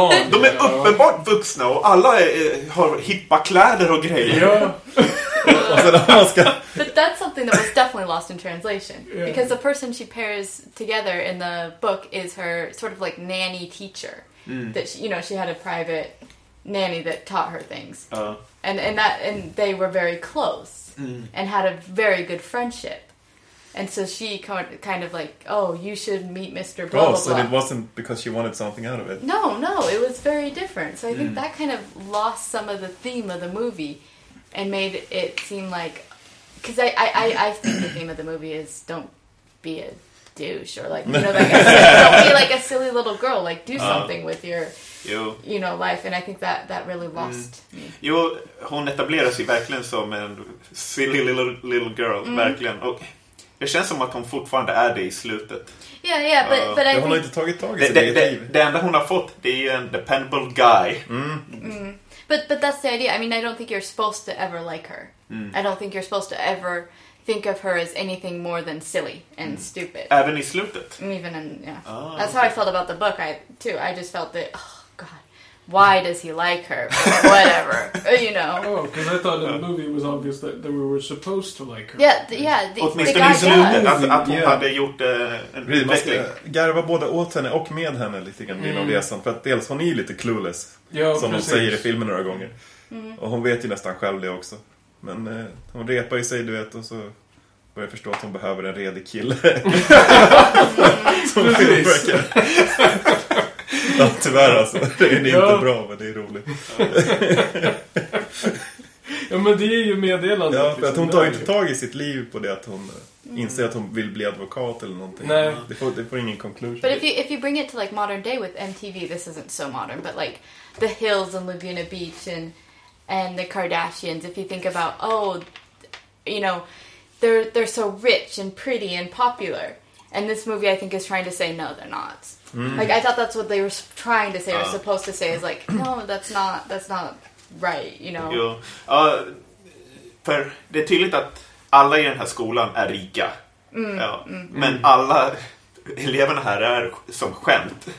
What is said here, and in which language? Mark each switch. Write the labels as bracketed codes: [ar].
[sv] De är uppenbart vuxna och alla har hippa kläder och grejer. Ja. [en] But that's something that was definitely lost in translation. Yeah. Because the person she pairs together in the book is her sort of like nanny teacher. Mm. That she, you know, she had a private nanny that taught her things. And they were very close and had a very good friendship. And so she kind of like, you should meet Mr. Blah, blah, blah. And it wasn't because she wanted something out of it. No, it was very different. So I think that kind of lost some of the theme of the movie. And made it seem like, because I think the theme of the movie is don't be a douche or like, you know, like don't be like a silly little girl, like do something with your, you know, life. And I think that really lost me. [sv] Jo, hon etablerar sig verkligen som en [en] silly little girl, [sv] verkligen. Och det känns som att hon fortfarande är det i slutet. Ja, hon har inte tagit tag i sitt eget liv. Det enda hon har fått, det är ju en [en] dependable guy. But that's the idea. I mean, I don't think you're supposed to ever like her. I don't think you're supposed to ever think of her as anything more than silly and stupid. [sv] Även i slutet. [en] Even in, that's how I felt about the book, too. I just felt that, why does he like her? Whatever, you know. Oh, because I thought in the movie it was obvious that we were supposed to like her. Yeah. [sv] Åtminstone i slutet, att hon hade gjort en utveckling. Garva både åt henne och med henne lite grann inom resan. För att dels hon är lite clueless, som hon säger i filmen några gånger. Och hon vet ju nästan själv det också. Men hon repar i sig, du vet, och så börjar jag förstå att hon behöver en redig kille. Som filmbröker. Ja, tyvärr alltså. Den är inte bra, men det är roligt. Ja, men det är ju meddelandet. Ja, för att hon tar inte tag i sitt liv på det att hon inser att hon vill bli advokat eller någonting. Nej. Det får ingen conclusion. [en] But if you bring it to like modern day with MTV, this isn't so modern, but like The Hills and Laguna Beach and the Kardashians, if you think about, oh, you know, they're so rich and pretty and popular. And this movie, I think, is trying to say, no, they're not. Mm. Like, I thought that's what they were trying to say, or supposed to say, is like, no, that's not right, you know? [sv] Jo. För det är tydligt att alla i den här skolan är rika. Mm. Ja. Mm. Men alla eleverna här är som skämt.